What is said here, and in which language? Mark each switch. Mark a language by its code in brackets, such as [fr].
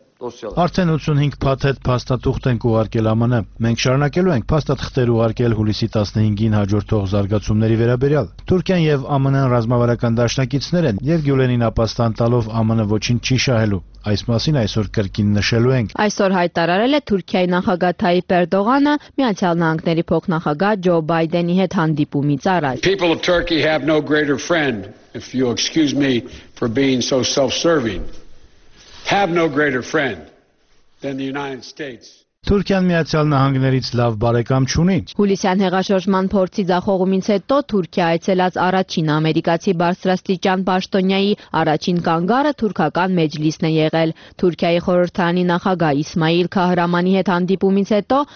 [hy] Արդեն 85 փաթեթ փաստաթուղթ ենք ուղարկել ԱՄՆ։ Մենք շարունակելու ենք փաստաթղթեր ուղարկել հուլիսի 15-ին հաջորդող զարգացումների վերաբերյալ։ Թուրքիան և ԱՄՆ-ն ռազմավարական դաշնակիցներ են և Գյուլենին ապաստան տալով ԱՄՆ-ը ոչինչ չի շահելու։ Այս մասին այսօր կրկին նշելու ենք։ Այսօր հայտարարել է Թուրքիայի նախագահ Թայիպ Էրդողանը Միացյալ Նահանգների փոխնախագահ Ջո Բայդենի հետ հանդիպումից առաջ։ [en] People of Turkey have no greater friend, if you excuse me for being so self-serving. Have no greater friend than the United States. [hy] Թուրքիան Միացյալ Նահանգներից լավ բարեկամ չունի։ Հուլիսյան հեղաշրջման փորձի ձախողումից հետո Թուրքիա այցելած առաջին ամերիկացի բարձրաստիճան պաշտոնյայի առաջին կանգառը թուրքական մեջլիսն է եղել։ Թուրքիայի խորհրդարանի նախագահ Իսմայիլ Քահրամանի հետ հանդիպումից հետո